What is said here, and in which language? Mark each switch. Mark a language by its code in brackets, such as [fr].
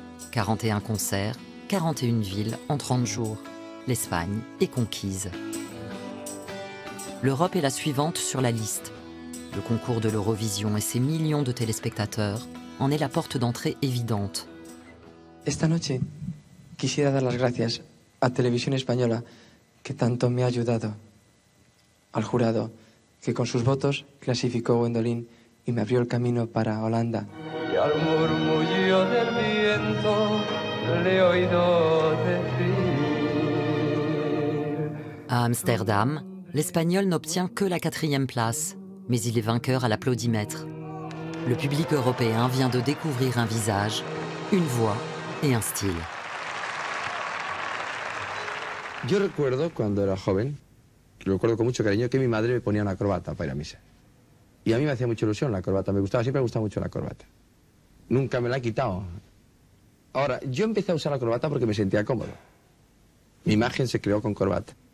[fr] 41 concerts, 41 villes en 30 jours. L'Espagne est conquise. L'Europe est la suivante sur la liste. Le concours de l'Eurovision et ses millions de téléspectateurs en est la porte d'entrée évidente. [es] Esta noche quisiera dar las gracias a Televisión Española que tanto me ha ayudado, al jurado que con sus votos clasificó Wendolin y me abrió el camino para Holanda. Y al murmullo del viento le he oído decir. [fr] A Amsterdam, l'Espagnol n'obtient que la 4e place. Mais il est vainqueur à l'applaudimètre. Le public européen vient de découvrir un visage, une voix et un style. [es] Yo recuerdo cuando era joven, lo recuerdo con mucho cariño, que mi madre me ponía una corbata para ir a misa. Y a mí me hacía mucha ilusión la corbata, me gustaba, siempre me gustaba mucho la corbata. Nunca me la he quitado. Ahora, yo empecé a usar la corbata porque me sentía cómodo. Mi imagen se creó con corbata.